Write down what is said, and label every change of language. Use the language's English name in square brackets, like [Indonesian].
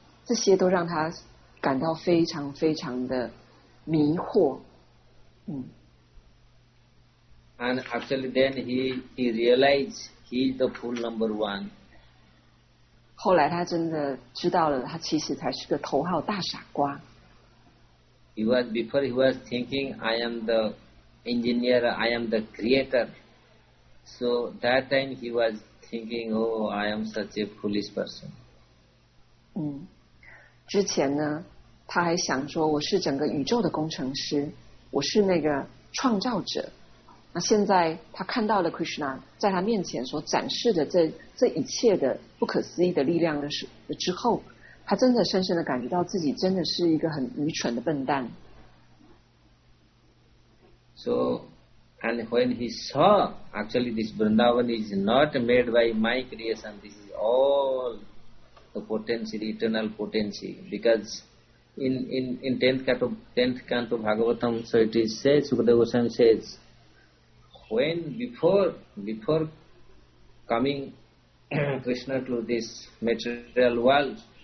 [Chinese] 这些都让他感到非常非常的迷惑。嗯。 [English] And actually then he realized he's the fool number one. [Chinese] 后来他真的知道了，他其实才是个头号大傻瓜。 [English] He was before he was thinking I am the engineer, I am the creator. So that time he was thinking, oh, I am such a foolish person. [Chinese] 嗯，之前呢，他还想说我是整个宇宙的工程师，我是那个创造者。那现在他看到了 Krishna 在他面前所展示的这一切的不可思议的力量的之后。他真的深深的感觉到自己真的是一个很愚蠢的笨蛋。 [English] So, and when he saw actually this Vrindavan is not made by my creation, this is all the potency, the eternal potency. Because in tenth canto Bhagavatam, so it is said, Sukadeva Goswami says, when before coming Krishna to this material world.